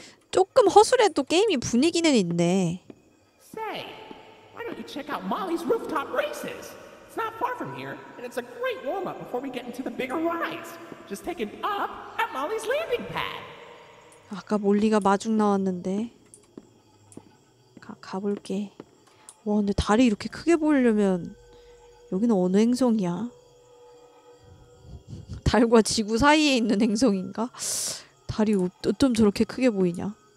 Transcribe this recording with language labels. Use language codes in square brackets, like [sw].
[ko] 조금 허술해도 게임이 분위기는 있네. [en] Say, why don't you check out Molly's rooftop races? It's not far from here, and it's a great warm-up before we get into the bigger rides. Just take it up at Molly's landing pad. [ko] 아까 몰리가 마중 나왔는데 가볼게. 와, 근데 다리 이렇게 크게 보이려면 여기는 어느 행성이야? 달과 지구 사이에 있는 행성인가? 다리 어쩜 저렇게 크게 보이냐?